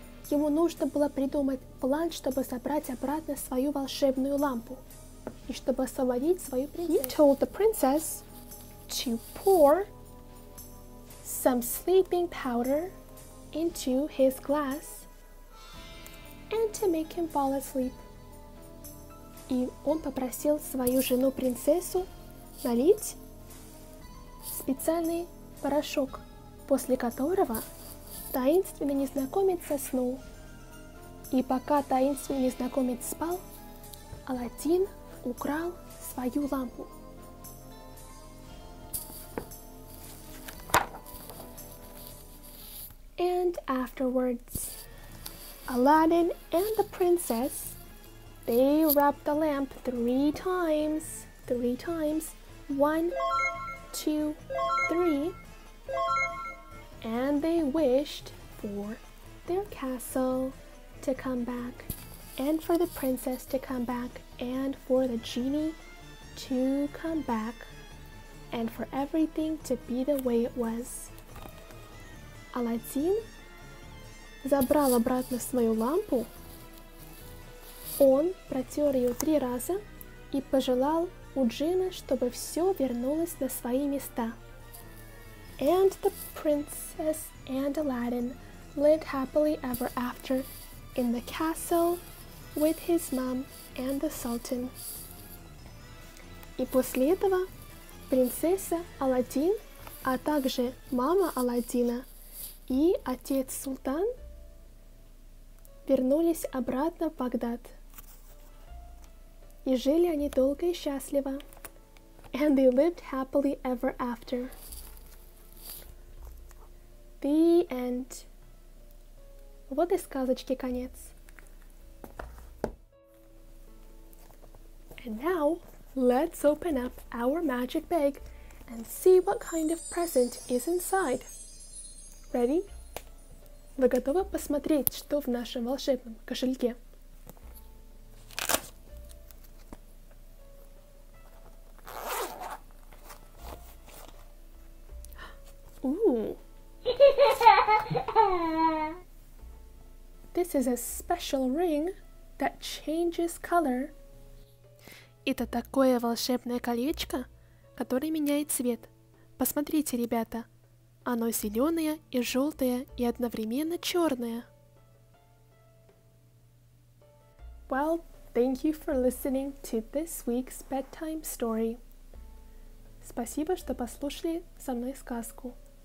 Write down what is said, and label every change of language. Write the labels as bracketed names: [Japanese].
[Russian] Ему нужно было придумать план, чтобы забрать обратно свою волшебную лампу и чтобы освободить свою принцессу. [English] He told the princess to pour some sleeping powder into his glass and to make him fall asleep. [Russian] И он попросил свою жену-принцессу налить специальный порошок, после которого таинственный незнакомец заснул. И пока таинственный незнакомец спал, Аладдин украл свою лампу. [English] And afterwards, Aladdin and the princess, they rubbed the lamp three times, 1, 2, 3, and they wished for their castle to come back, and for the princess to come back, and for the genie to come back, and for everything to be the way it was. [Russian] Аладдин забрал обратно свою лампу. Он протер ее 3 раза и пожелал у джина, чтобы все вернулось на свои места. [English] And the princess and Aladdin lived happily ever after in the castle with his mom and the sultan. [Russian] И после этого принцесса Аладдин, а также мама Аладдина и отец султан вернулись обратно в Багдад. И жили они долго и счастливо. [English] And they lived happily ever after. The end. [Russian] Вот и сказочки конец. [English] And now, let's open up our magic bag and see what kind of present is inside. Ready? [Russian] Вы готовы посмотреть, что в нашем волшебном кошельке? [English] This is a special ring that changes color. [Russian] Это такое волшебное колечко, которое меняет цвет. Посмотрите, ребята, оно зеленое и желтое и одновременно черное. [English] Well, thank you for listening to this week's bedtime story. [Russian] Спасибо, что послушали со мной сказку.